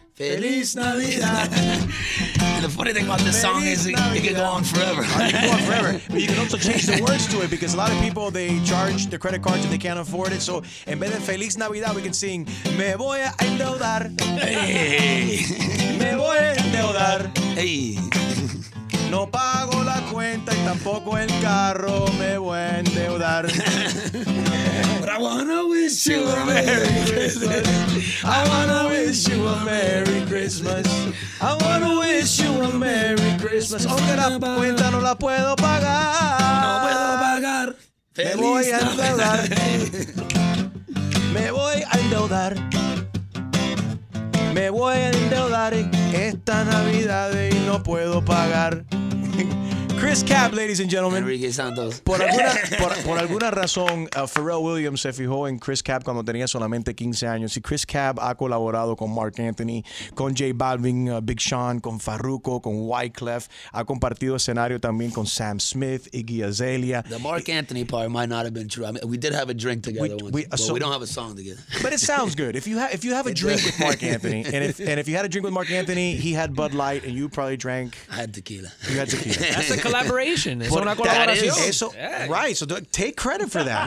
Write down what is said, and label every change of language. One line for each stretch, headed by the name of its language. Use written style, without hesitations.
Spanish: Feliz Navidad.
English: The funny thing about this song is it could go on forever. It could go on forever. But you can also change the words to it because a lot of people, they charge their credit cards and they can't afford it. So,
Spanish: en vez de
English: Feliz Navidad, we can sing,
Spanish: Me voy a endeudar. Hey. Me voy a endeudar. Hey. No pago la cuenta y tampoco el carro. Me voy a endeudar.
English: But I wanna wish you a Merry Christmas. I wanna wish you a Merry Christmas. I wanna wish you a Merry Christmas.
Spanish: Aunque la cuenta no la puedo pagar. No puedo pagar. Me voy a endeudar. Me voy a endeudar. Me voy a endeudar esta Navidad y no puedo pagar.
English: Chris Kapp, ladies and gentlemen. Enrique Santos.
Spanish: Por alguna razón, Pharrell Williams se fijó en Chris Kapp cuando tenía solamente 15 años. Y Chris Kapp ha colaborado con Mark Anthony, con J Balvin, Big Sean, con Farruko, con Wyclef. Ha compartido escenario también con Sam Smith, Iggy Azalea.
English: The Mark Anthony part might not have been true. I mean, we did have a drink together once, but we don't have a song together. But it sounds good. If you have a drink with Mark Anthony, and if you had a drink with Mark Anthony, he had Bud Light, and you probably drank... I had tequila. You had tequila. Collaboration.
Spanish: Es una colaboración. Eso,
English: yeah. Right. So take credit for that.